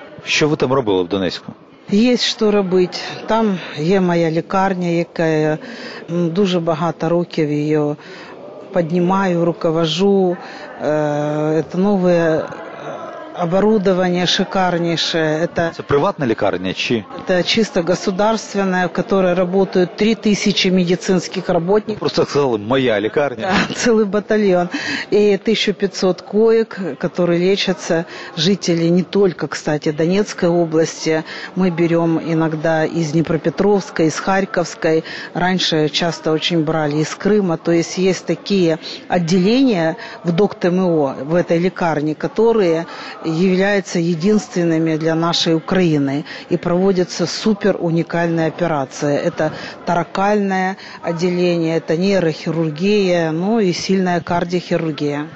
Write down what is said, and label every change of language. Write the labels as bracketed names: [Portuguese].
[Ukrainian] Що ви там робили в Донецьку? Є що робити. Там є моя лікарня, яка дуже багато років її піднімаю, руковожу, це нове оборудование шикарніше. Це приватна лікарня чи? Це чисто государственна, [Russian] в которой работают 3000 медицинских работников. [Ukrainian] Просто сказали, моя лікарня. Цілий батальйон. [Russian] І 1500 коек, которые лечатся жители не только, кстати, Донецкой области. Мы берем иногда из Днепропетровской, из Харьковской. Раньше часто очень брали из Крыма. То есть есть такие отделения в ДОКТМО, в этой лікарні, которые являються [Ukrainian] єдинственними для нашої України і проводяться супер унікальні операції. Це таракальне відділення, це нейрохірургія, ну і сильна кардіохірургія.